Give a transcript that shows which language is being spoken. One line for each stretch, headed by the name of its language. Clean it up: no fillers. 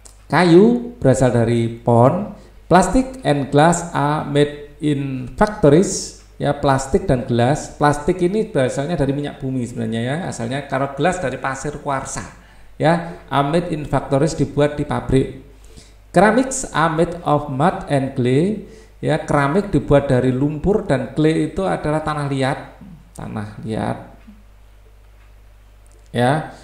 Indonesian: Kayu berasal dari pohon.
English: Plastic and glass are made in factories, ya.
Indonesian: Plastik dan gelas, plastik ini berasalnya dari minyak bumi sebenarnya, ya, asalnya. Kalau gelas dari pasir kuarsa, ya.
English: Are made in factories,
Indonesian: dibuat di pabrik.
English: Ceramics are made of mud and clay, ya.
Indonesian: Keramik dibuat dari lumpur, dan clay itu adalah tanah liat, tanah liat, ya.